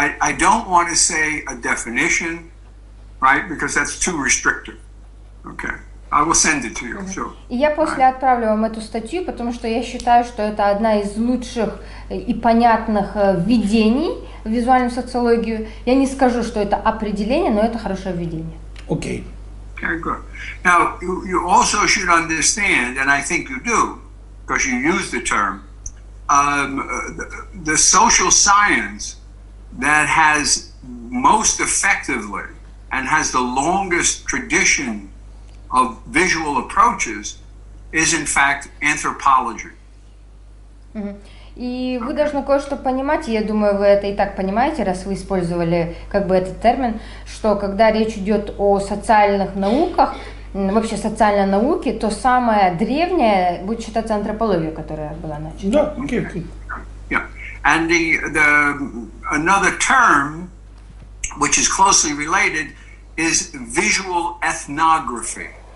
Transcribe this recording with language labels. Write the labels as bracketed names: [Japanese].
[English] I don't want to say a definition, right? Because that's too restrictive. Okay. I will send it to you. Sure. [Russian] Я после отправлю вам эту статью, потому что я считаю, что это одна из лучших и понятных введений в визуальную социологию. Я не скажу, что это определение, но это хорошее введение. [English] Okay. Okay, good. Now, you also should understand, and I think you do, because you use the term, the social science that has most effectively and has the longest tradition of visual approaches is in fact anthropology. Mm-hmm. [Russian] И вы должны кое-что понимать, и я думаю, вы это и так понимаете, раз вы использовали как бы этот термин, что когда речь идет о социальных науках, вообще социальной науке, то самое древнее будет считаться антропологией, которая была начата. Да, okay. [English] Yeah. And the another term, which is closely related, is visual ethnography.